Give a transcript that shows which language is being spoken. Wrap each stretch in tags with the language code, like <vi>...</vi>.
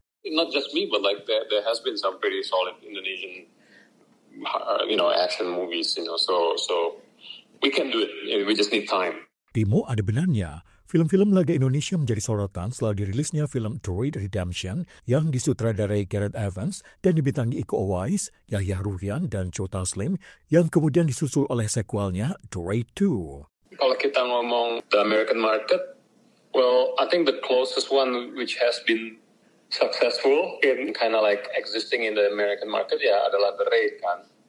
<en>Not just me, but like there has been some pretty solid Indonesian, action movies, so. We can do it. We just need time.</en> <id>Timo ada benarnya. Film-film laga Indonesia menjadi sorotan setelah dirilisnya film Droid Redemption yang disutradarai Gareth Evans dan dibintangi Iko Uwais, Yahya Ruhian, dan Joe Taslim yang kemudian disusul oleh sequelnya Droid 2. Kalau kita ngomong</id> <en>the American market, well, I think the closest one which has been successful in kind of like existing in the American market</en> <id>ya adalah</id> <en>The Raid</en> <id>kan.</id>